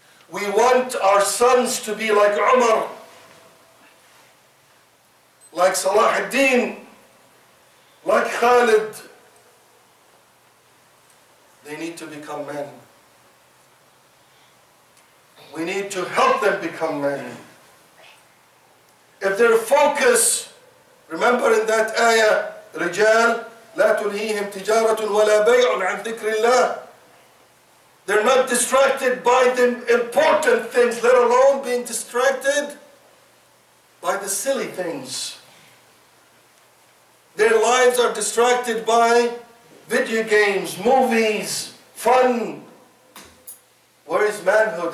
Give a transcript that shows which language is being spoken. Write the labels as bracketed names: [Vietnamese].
[English] We want our sons to be like Umar, like Salah al-Din, like Khalid. They need to become men. We need to help them become men. If their focus, remember in that ayah, [Arabic] رجال لا تلهيهم تجارة ولا بيع عن ذكر الله. [English] They're not distracted by the important things, let alone being distracted by the silly things. Their lives are distracted by video games, movies, fun. Where is manhood?